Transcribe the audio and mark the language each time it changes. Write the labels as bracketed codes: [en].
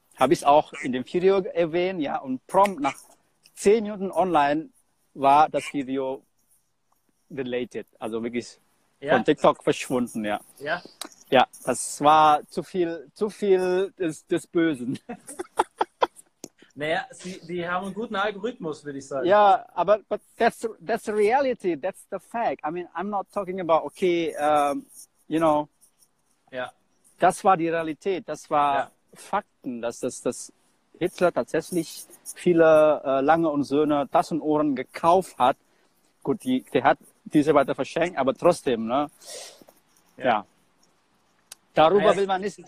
[de] Habe ich auch in dem Video erwähnt. Ja. Und prompt nach 10 Minuten online war das Video deleted, also wirklich von TikTok verschwunden, ja. Ja. Ja, das war zu viel des Bösen. Naja, die haben einen guten Algorithmus, würde ich sagen. Ja, aber [en] that's the reality, that's the fact. I mean, I'm not talking about, okay, you know. [de] Ja. Das war die Realität, das war Fakten, dass Hitler tatsächlich viele Lange und Söhne Taschenuhren gekauft hat. Gut, der hat diese weiter verschenkt, aber trotzdem, ne? Ja. Darüber will man nicht reden.